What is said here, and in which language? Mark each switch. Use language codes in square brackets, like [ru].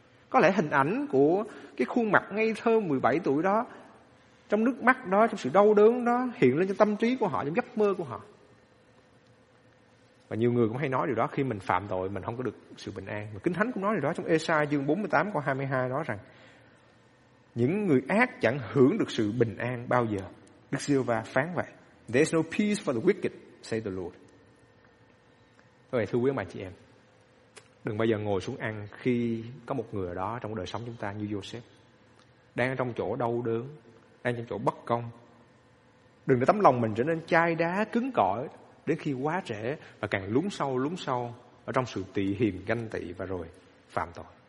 [vi] Có lẽ hình ảnh của cái khuôn mặt ngây thơ 17 tuổi đó, trong nước mắt đó, trong sự đau đớn đó hiện lên trong tâm trí của họ, trong giấc mơ của họ. Và nhiều người cũng hay nói điều đó, khi mình phạm tội mình không có được sự bình an. Mà Kinh Thánh cũng nói điều đó trong Ê-sai chương 48 câu 22 nói rằng những người ác chẳng hưởng được sự bình an bao giờ. Đức Giê-hô-va phán vậy. [en] There's no peace for the wicked, say the Lord. [vi] Vậy thưa quý anh chị em, đừng bao giờ ngồi xuống ăn khi có một người ở đó trong đời sống chúng ta như Joseph, đang trong chỗ đau đớn, đang trong chỗ bất công. Đừng để tấm lòng mình trở nên chai đá, cứng cỏi đến khi quá trễ và càng lún sâu ở trong sự tị hiềm, ganh tị và rồi phạm tội.